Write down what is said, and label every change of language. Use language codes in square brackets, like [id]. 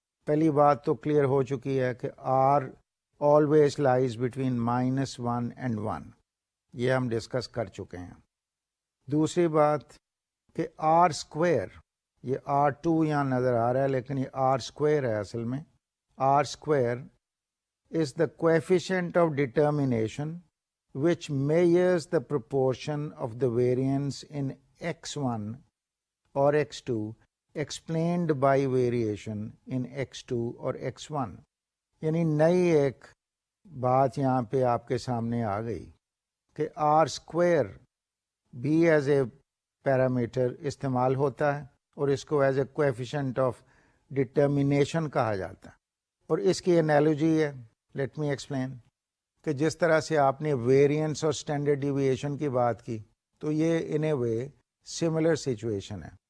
[ur] پہلی بات تو کلیئر ہو چکی ہے کہ are always lies between minus 1 and 1, یہ ہم ڈسکس کر چکے ہیں. دوسری بات کہ آر اسکوائر, یہ آر 2 یہاں نظر آ رہا ہے لیکن یہ آر اسکوائر ہے اصل میں. [en] R square is the coefficient of determination which measures the proportion of the variance in x1 or x2 explained by variation in x2 or x1. [ur] یعنی نئی ایک بات یہاں پہ آپ کے سامنے آ گئی کہ آر اسکوائر بھی ایز اے پیرامیٹر استعمال ہوتا ہے اور اس کو as a coefficient of determination کہا جاتا ہے. اور اس کی انالوجی ہے, لیٹ می ایکسپلین, کہ جس طرح سے آپ نے ویریئنس اور اسٹینڈرڈ ڈیویشن کی بات کی تو یہ ان اے وے سملر سچویشن ہے.